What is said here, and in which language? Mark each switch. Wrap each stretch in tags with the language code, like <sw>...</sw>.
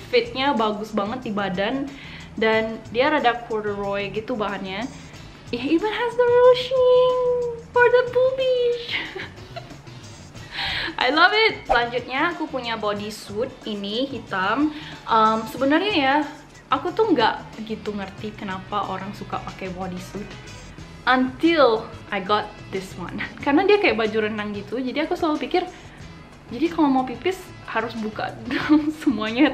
<id>Fitnya bagus banget di badan dan dia rada corduroy gitu bahannya.</id> <en>It even has the ruching for the boobies. I love it.</en> <id>Selanjutnya aku punya bodysuit ini hitam. Sebenarnya ya, aku tuh nggak gitu ngerti kenapa orang suka pakai bodysuit</id> <en>until I got this one.</en> <id>Karena dia kayak baju renang gitu, jadi aku selalu pikir, jadi kalau mau pipis harus buka dong semuanya.</id>